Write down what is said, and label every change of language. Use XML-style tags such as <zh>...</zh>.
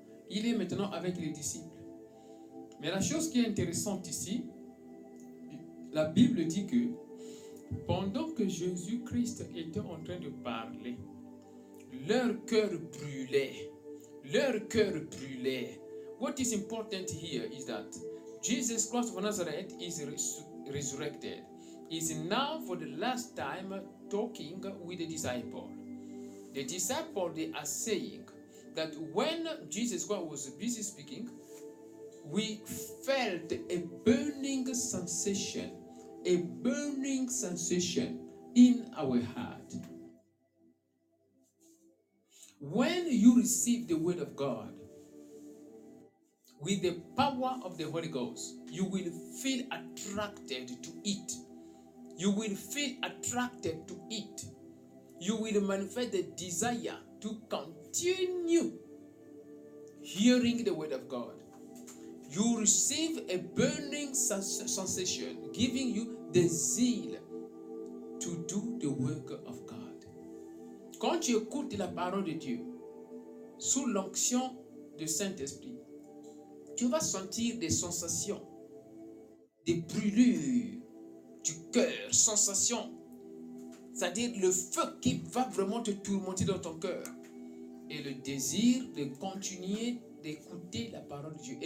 <fr>Il est maintenant avec les disciples. Mais la chose qui est intéressante ici, la Bible dit que pendant que Jésus-Christ était en train de parler, leur cœur brûlait. Leur cœur brûlait.</fr> <en>What is important here is that Jesus Christ of Nazareth is resurrected. He's now for the last time talking with the disciples. The disciples, they are saying that when Jesus Christ was busy speaking, we felt a burning sensation. A burning sensation in our heart. When you receive the word of God with the power of the Holy Ghost, you will feel attracted to it. You will feel attracted to it. You will manifest the desire to continue hearing the word of God. You receive a burning sensation giving you the zeal to do the work of God.</en> <fr>Quand tu écoutes la parole de Dieu sous l'onction du Saint-Esprit, tu vas sentir des sensations, des brûlures du cœur, sensations, c'est-à-dire le feu qui va vraiment te tourmenter dans ton cœur et le désir de continuer d'écouter la parole de Dieu.</fr>